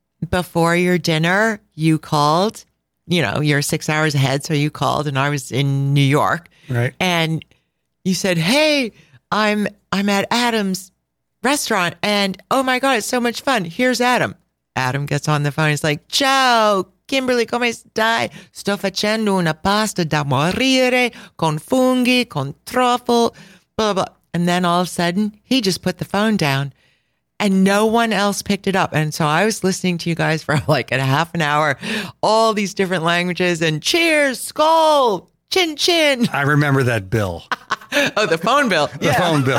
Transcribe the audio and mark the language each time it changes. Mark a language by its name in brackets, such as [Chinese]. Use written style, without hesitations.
[English] before your dinner, you called, you know, you're 6 hours ahead. So you called and I was in New York. Right. And you said, hey, I'm at Adam's restaurant. And oh my God, it's so much fun. Here's Adam. Adam gets on the phone. He's like, [Italian] ciao, Kimberly, come stai? Sto facendo una pasta da morire con funghi, con truffle, blah, blah, blah. [English] And then all of a sudden, he just put the phone down and no one else picked it up. And so I was listening to you guys for like a half an hour, all these different languages and cheers, skull, chin, chin. I remember that bill. Oh, the phone bill. The phone bill.